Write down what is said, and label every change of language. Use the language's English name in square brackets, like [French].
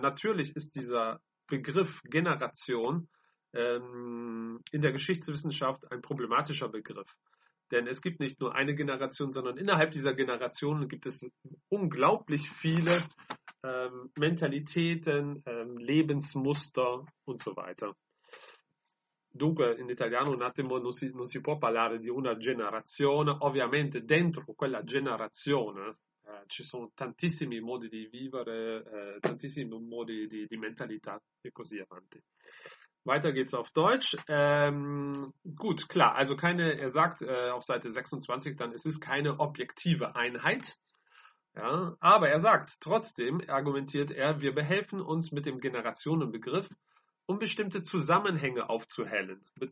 [German] Natürlich ist dieser Begriff Generation in der Geschichtswissenschaft ein problematischer Begriff. Denn es gibt nicht nur eine Generation, sondern innerhalb dieser Generationen gibt es unglaublich viele Mentalitäten, Lebensmuster und so weiter. [Italian] Dunque, in italiano un attimo non si può parlare di una generazione. Ovviamente, dentro quella generazione ci sono tantissimi modi di vivere, tantissimi modi di mentalità e così avanti. [German] Weiter geht's auf Deutsch. Gut, klar, also er sagt auf Seite 26 dann, es ist keine objektive Einheit. Ja, aber er sagt trotzdem, argumentiert er, wir behelfen uns mit dem Generationenbegriff, um bestimmte Zusammenhänge aufzuhellen.